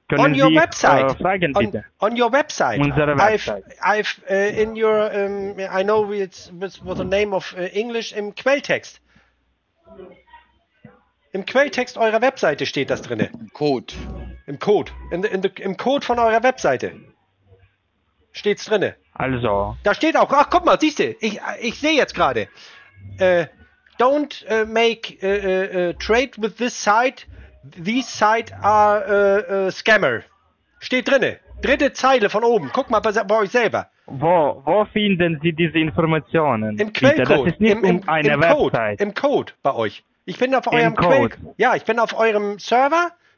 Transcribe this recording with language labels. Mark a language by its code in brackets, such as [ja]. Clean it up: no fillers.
[de] Im Quelltext eurer Webseite steht das drinne. Im Code von eurer Webseite steht's drinne. Also. Da steht auch. Ach, guck mal, siehst du? Ich sehe jetzt gerade. [en] Don't make trade with this site. These sites are scammer. [de] Steht drinne. Dritte Zeile von oben. Guck mal bei euch selber. Wo finden Sie diese Informationen? Im Quellcode. Das ist nicht eine Website. Im Code bei euch. Ich bin auf eurem Server.